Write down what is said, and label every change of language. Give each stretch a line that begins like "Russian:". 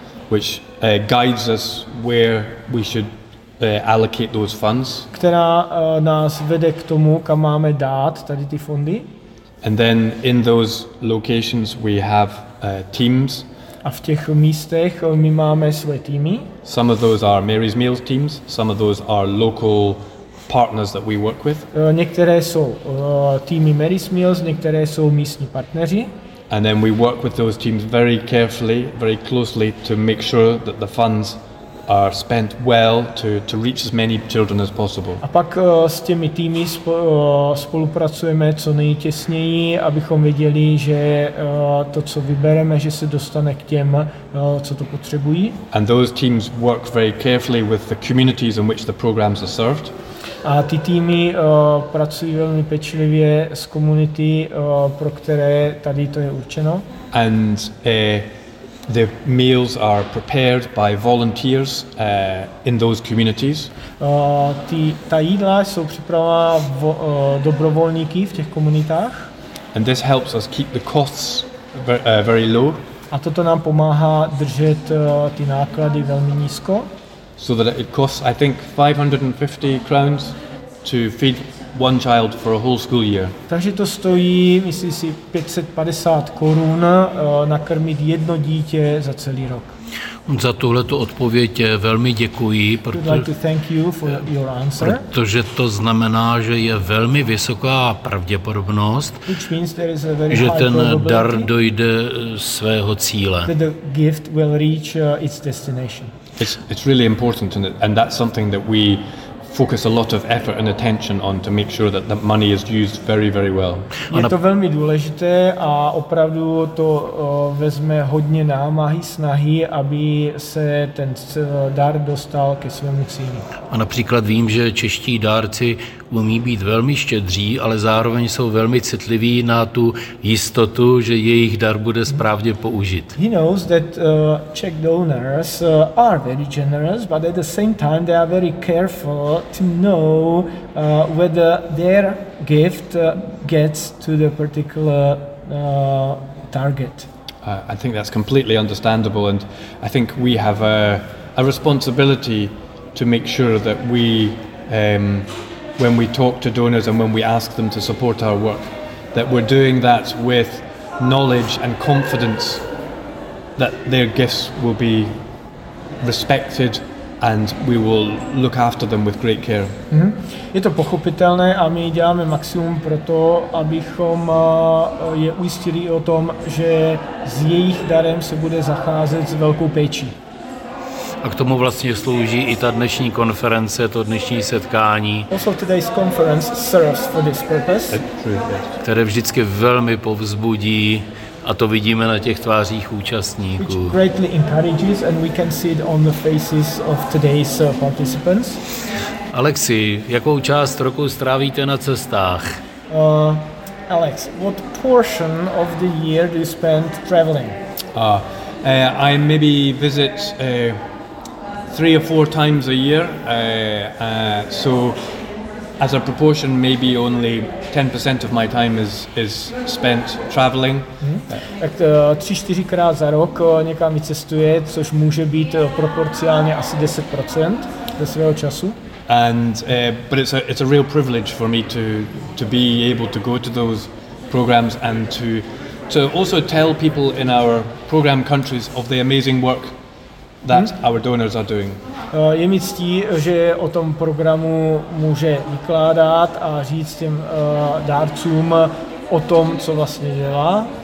English: which guides us where we should allocate those funds.
Czech: Která nás vede k tomu, kam máme dát tady ty fondy.
English: And then in those locations we have teams.
Czech: A v těch místech my máme své týmy.
English: Some of those are Mary's Meals teams, some of those are local partners that we work with.
Czech: Některé jsou týmy Mary's Meals, některé jsou místní partneři.
English: And then we work with those teams very carefully, very closely to make sure that the funds are spent well to reach as many children as possible.
Czech: A pak s těmi týmy spolupracujeme co nejtěsněji, abychom věděli, že to, co vybereme, že se dostane k těm, co to potřebují.
English: And those teams work very carefully with the communities in which the programs are served.
Czech: A ty týmy pracují velmi pečlivě s komunity, pro které tady to je určeno.
English: And the meals are prepared by volunteers in those communities.
Czech: Ta jídla jsou připravena dobrovolníky v těch komunitách.
English: And this helps us keep the costs very low.
Czech: A toto nám pomáhá držet ty náklady velmi nízko.
English: So that it costs, I think, 550 crowns to feed one child for a whole school year.
Czech: Takže to stojí, myslím si, 550 korun nakrmit jedno dítě za celý rok. Za tuhle tu odpověď velmi děkuji, protože to znamená, že je velmi vysoká pravděpodobnost, že ten dar dojde svého cíle.
English: The gift will reach its destination. It's really important, and that's something that we focus a lot of effort and attention on to make sure that the money is used very, very well.
Czech: Je to velmi důležité a opravdu to vezme hodně námahy, snahy, aby se ten dar dostal ke svému cíli. A například vím, že čeští dárci umí být velmi štědří, ale zároveň jsou velmi citliví na tu jistotu, že jejich dar bude správně použit.
English: He knows that Czech donors are very generous, but at the same time they are very careful to know whether their gift gets to the particular target. I think that's completely understandable, and I think we have a responsibility to make sure that we when we talk to donors and when we ask them to support our work, that we're doing that with knowledge and confidence that their gifts will be respected and we will look after them with great care. Mm-hmm.
Czech: Je to pochopitelné a my děláme maximum pro to, abychom je ujistili o tom, že s jejich darem se bude zacházet s velkou péčí. A k tomu vlastně slouží i ta dnešní konference, to dnešní setkání.
English: Also today's conference serves for this purpose.
Czech: Které vždycky velmi povzbudí, a to vidíme na těch tvářích účastníků.
English: Which greatly encourages, and we can see it on the faces of today's participants.
Czech: Alexi, jakou část roku strávíte na cestách?
English: Alex, what portion of the year do you spend traveling? I maybe visit 3 or 4 times a year, so as a proportion, maybe only 10% of my time is spent traveling.
Czech: Tak 3-4krát za rok někam vycestuje, což může být proporcionálně asi 10% ze svého času.
English: And but it's a real privilege for me to be able to go to those programs and to also tell people in our program countries of the amazing work that our donors are doing.
Czech: Je mi ctí, že o tom programu může vykládat a říct těm dárcům o tom, co vlastně dělá.